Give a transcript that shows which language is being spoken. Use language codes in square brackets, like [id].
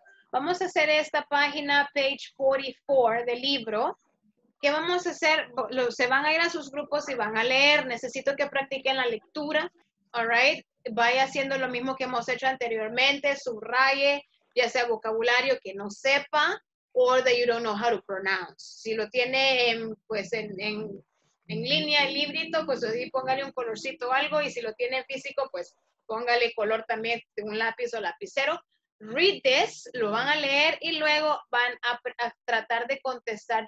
[es] Vamos a hacer esta página, page 44 del libro. ¿Qué vamos a hacer? Se van a ir a sus grupos y van a leer. Necesito que practiquen la lectura. All right. Vaya haciendo lo mismo que hemos hecho anteriormente. Subraye, ya sea vocabulario que no sepa o [en] that you don't know how to pronounce. [es] Si lo tiene pues en línea, el librito, pues ahí póngale un colorcito o algo. Y si lo tiene en físico, pues póngale color también de un lápiz o lapicero. [en] Read this, [es] lo van a leer y luego van a tratar de contestar.